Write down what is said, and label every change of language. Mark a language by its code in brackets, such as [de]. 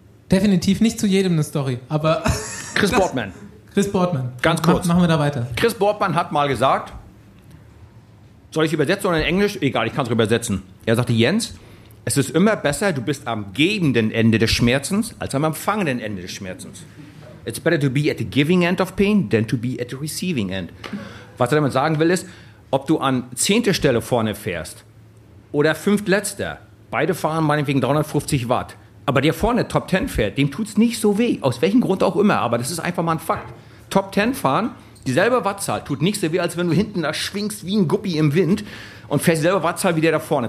[de] Definitiv nicht zu jedem eine Story, aber... Chris Boardman. Ganz kurz. Machen wir da weiter. Chris Boardman hat mal gesagt, soll ich übersetzen oder in Englisch? Egal, ich kann es übersetzen. Er sagte, Jens, es ist immer besser, du bist am gebenden Ende des Schmerzens, als am empfangenden Ende des Schmerzens. [en] It's better to be at the giving end of pain, than to be at the receiving end. [de] Was er damit sagen will, ist, ob du an 10. Stelle vorne fährst oder 5. letzter, beide fahren meinetwegen 350 Watt, aber der vorne Top 10 fährt, dem tut es nicht so weh. Aus welchem Grund auch immer. Aber das ist einfach mal ein Fakt. Top 10 fahren, dieselbe Wattzahl tut nicht so weh, als wenn du hinten da schwingst wie ein Guppi im Wind und fährst dieselbe Wattzahl wie der da vorne.